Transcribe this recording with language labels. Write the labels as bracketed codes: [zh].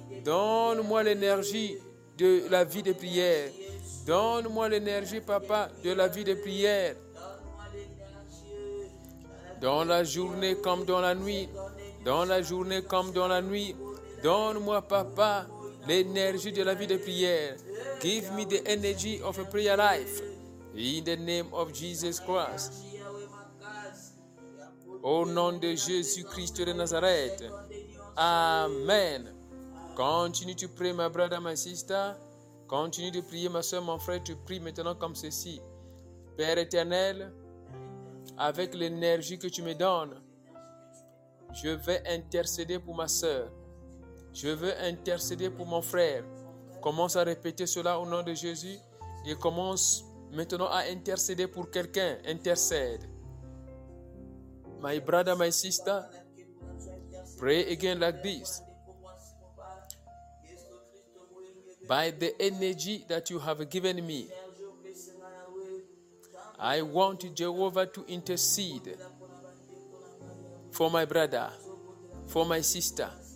[fr] Donne-moi l'énergie de la vie de prière. Donne-moi l'énergie, papa, de la vie de prière. Dans la journée comme dans la nuit. Dans la journée comme dans la nuit. Donne-moi, papa, l'énergie de la vie de prière. [en] Give me the energy of a prayer life. In the name of Jesus Christ. [fr] Au nom de Jésus-Christ de Nazareth. Amen. [en] Continue to pray, my brother, my sister. [fr] Continue de prier, ma soeur, mon frère, tu pries maintenant comme ceci. Père éternel, avec l'énergie que tu me donnes, je vais intercéder pour ma soeur. Je veux intercéder pour mon frère. Commence à répéter cela au nom de Jésus et commence maintenant à intercéder pour quelqu'un. Intercède. [en] My brother, my sister, pray again like this. By the energy that you have given me, I want Jehovah to intercede for my brother, for my sister.